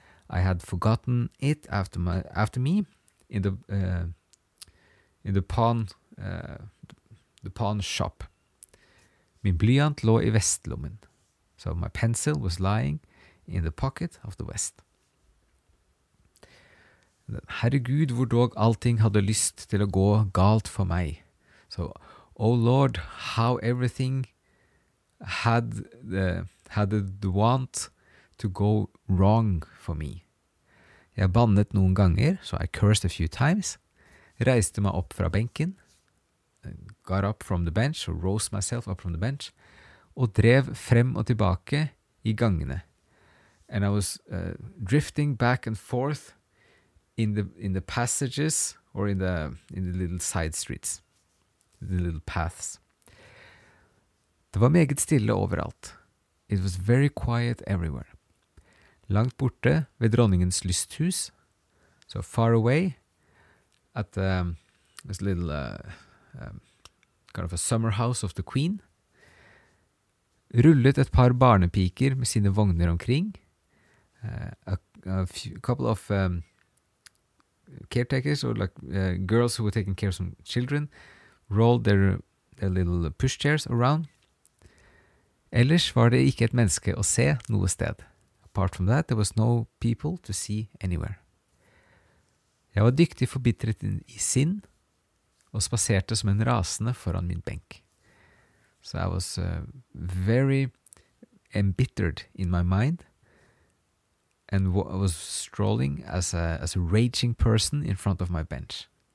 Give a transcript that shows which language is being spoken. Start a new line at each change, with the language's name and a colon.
English: I had forgotten it after me in the pawn shop.
Norwegian: Min blyant lå I vestlommen.
English: So my pencil was lying in the pocket of the vest.
Norwegian: Herregud, hvor dog allting hadde lyst til å gå galt for meg.
English: So, oh Lord, how everything had the want to go wrong for me.
Norwegian: Jeg bannet noen ganger,
English: so I cursed a few times,
Norwegian: reiste meg opp fra benken,
English: got up from the bench, or rose myself up from the bench,
Norwegian: og drev frem og tilbake I gangene.
English: And I was drifting back and forth in the passages, or in the little side streets, the little paths.
Norwegian: Det var meget stille overalt.
English: It was very quiet everywhere.
Norwegian: Langt borte ved dronningens lysthus,
English: so far away, at this little kind of a summer house of the queen,
Norwegian: rullet et par barnepiker med sine vogner omkring,
English: a couple of caretakers, or like girls who were taking care of some children, rolled their little pushchairs around.
Norwegian: Ellers var det ikke et menneske å se noe sted.
English: Apart from that, there was no people to see anywhere.
Norwegian: Jeg var dyktig forbitret I sinn, og spaserte som en rasende foran min benk.
English: So I was very embittered in my mind, and I was strolling as a raging person in front of my bench.